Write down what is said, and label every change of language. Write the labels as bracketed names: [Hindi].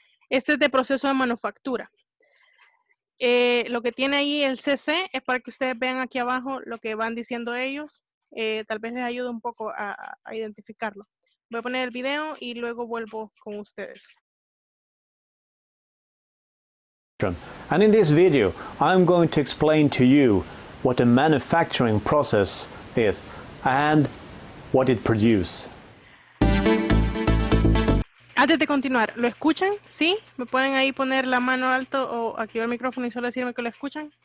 [Spanish] Este es de proceso de manufactura. Lo que tiene ahí el CC es para que ustedes vean aquí abajo lo que van diciendo ellos. Tal vez les ayude un poco a identificarlo. Voy a poner el video y luego vuelvo con ustedes. [English] And in this video, I'm going to explain to you what a manufacturing process is and what it produces. [Spanish] Antes de continuar, ¿lo escuchan? ¿Sí? ¿Me pueden ahí poner la mano alto o activar el micrófono y solo decirme que lo escuchan?